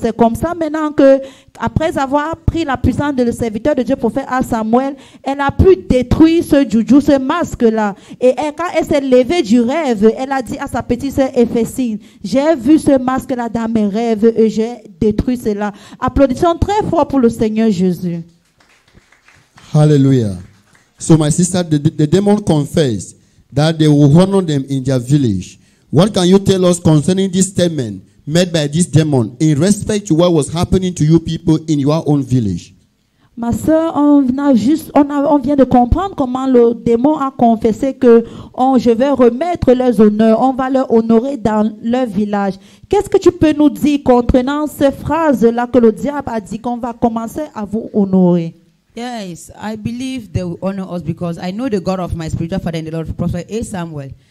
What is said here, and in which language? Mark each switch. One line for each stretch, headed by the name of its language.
French: C'est comme ça maintenant que, après avoir pris la puissance de le serviteur de Dieu prophète à Samuel, elle a pu détruire ce joujou, ce masque-là. Et elle, quand elle s'est levée du rêve, elle a dit à sa petite sœur Ephésine, j'ai vu ce masque-là dans mes rêves et j'ai détruit cela. Applaudissons très fort pour le Seigneur Jésus.
English: Hallelujah. So my sister, the demon confessed that they will honor them in their village. What can you tell us concerning this statement made by this demon in respect to what was happening to you people in your own village?
French: Ma sœur, on vient de comprendre comment le démon a confessé que je vais remettre leurs honneurs, on va leur honorer dans leur village. Qu'est-ce que tu peux nous dire contenant ces phrases-là que le diable a dit qu'on va commencer à vous honorer?
English: Yes, I believe they will honor us because I know the God of my spiritual father and the Lord Prophet A. Samuel.